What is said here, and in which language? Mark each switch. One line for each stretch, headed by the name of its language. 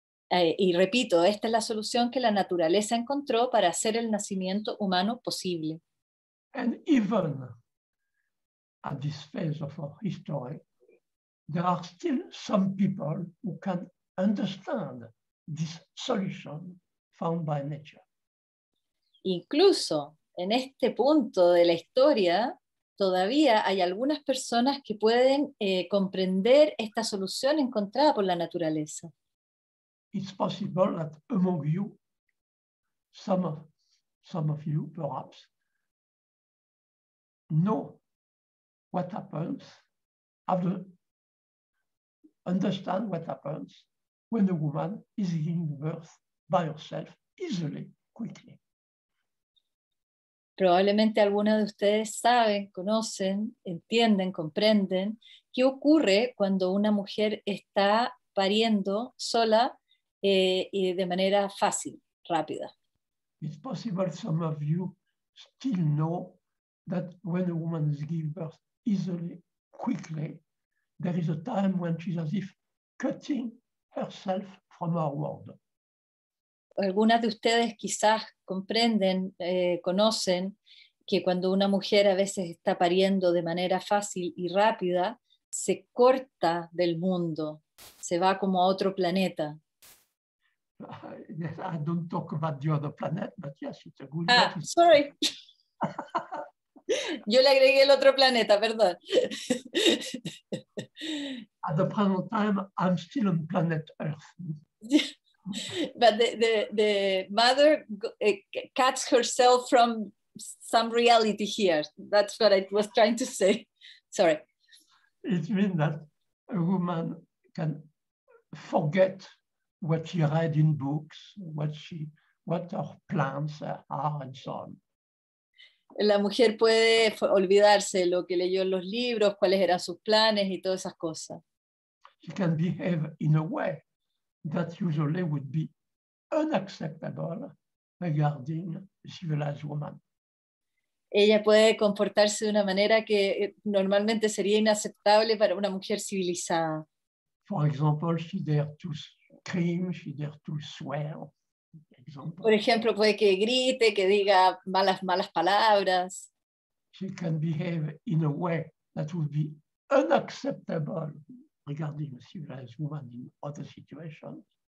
Spanish: Y repito, esta es la solución que la naturaleza encontró para hacer el nacimiento humano posible.
English: And even at this phase of our history, there are still some people who can understand this solution found by nature.
Spanish: Incluso en este punto de la historia, todavía hay algunas personas que pueden comprender esta solución encontrada por la naturaleza.
English: It's possible that among you, some of you perhaps, know what happens after. Understand what happens when a woman is giving birth by herself easily, quickly.
Spanish: Probablemente algunos de ustedes saben, conocen, entienden, comprenden qué ocurre cuando una mujer está pariendo sola y de manera fácil, rápida.
English: It's possible some of you still know that when a woman is giving birth easily, quickly, there is a time when she's as if cutting herself from our world.
Spanish: Algunas de ustedes quizás comprenden, conocen que cuando una mujer a veces está pariendo de manera fácil y rápida, se corta del mundo, se va como a otro planeta.
English: Yes, I don't talk about the other planet, but yes, it's a good one. Sorry.
Spanish: Yo le agregué el otro planeta, perdón.
English: At the present time, I'm still on planet Earth. But the mother cuts herself from some reality here. That's what I was trying to say. Sorry. It means that a woman can forget what she read in books, what her plans are, and so on.
Spanish: La mujer puede olvidarse lo que leyó en los libros, cuáles eran sus planes y todas esas cosas.
English: She can behave in a way that usually would be unacceptable regarding a civilized woman.
Spanish: Ella puede comportarse de una manera que normalmente sería inaceptable para una mujer civilizada.
English: For example, she dare to scream, she dare to swear. Example.
Spanish: Por ejemplo, puede que grite, que diga malas palabras.
English: She can behave in a way that would be unacceptable regarding a civilized woman in other situations.